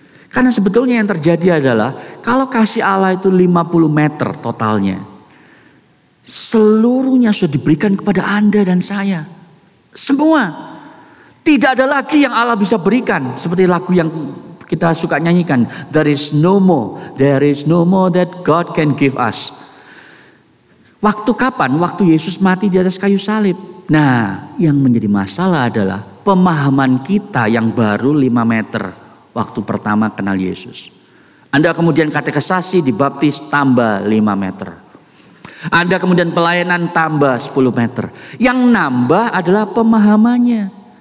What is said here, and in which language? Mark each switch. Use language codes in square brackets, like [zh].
[id] Karena sebetulnya yang terjadi adalah, kalau kasih Allah itu 50 meter totalnya, seluruhnya sudah diberikan kepada Anda dan saya. Semua. Tidak ada lagi yang Allah bisa berikan. Seperti lagu yang kita suka nyanyikan. [en] There is no more that God can give us. [id] Waktu kapan? Waktu Yesus mati di atas kayu salib. Nah, yang menjadi masalah adalah pemahaman kita yang baru 5 meter waktu pertama kenal Yesus. Anda kemudian katekisasi, dibaptis, tambah 5 meter. Anda kemudian pelayanan tambah 10 meter. Yang nambah adalah pemahamannya.